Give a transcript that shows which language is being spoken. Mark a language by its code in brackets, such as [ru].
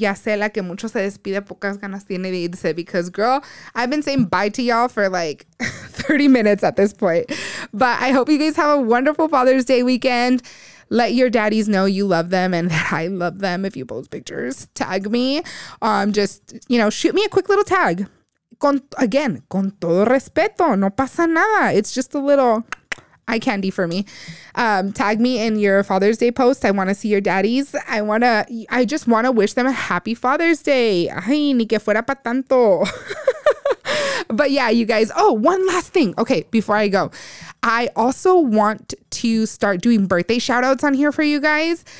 [es] Ya sé la que mucho se despide, pocas ganas tiene de irse, [en] because girl, I've been saying bye to y'all for like 30 minutes at this point. But I hope you guys have a wonderful Father's Day weekend. Let your daddies know you love them and that I love them. If you post pictures, tag me. Just, you know, shoot me a quick little tag. [es] Con todo respeto, no pasa nada. [en] It's just a little eye candy for me. Tag me in your Father's Day post. I want to see your daddies. I just want to wish them a happy Father's Day. [es] Ay, ni que fuera pa tanto. [en] But yeah, you guys. Oh, one last thing. Okay, before I go, I also want to start doing birthday shout outs on here for you guys.